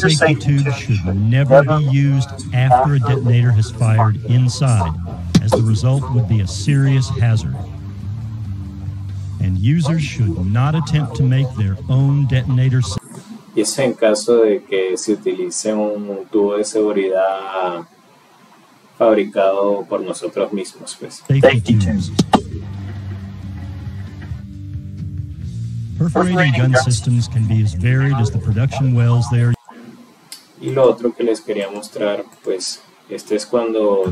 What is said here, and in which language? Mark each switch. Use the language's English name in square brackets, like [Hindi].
[English] The safety tube should never be used after a detonator has fired inside, as the result would be a serious hazard. And users should not attempt to make their own detonator. [Spanish] Y es en caso de que se utilice un tubo de seguridad fabricado por nosotros mismos, pues. [English] Safety tubes. Perforating gun systems can be as varied as the production wells they are. [Spanish] Y lo otro que les quería mostrar, pues, este es cuando